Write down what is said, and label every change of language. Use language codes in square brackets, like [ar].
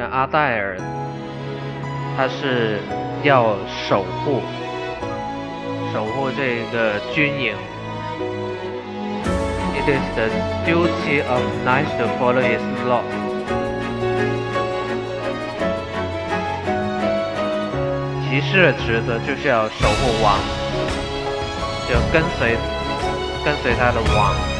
[zh] 戴尔，他是要守护这个军营。 [en] It is the duty of knights to follow his law. [zh] 骑士的职责就是要守护王，就跟随他的王。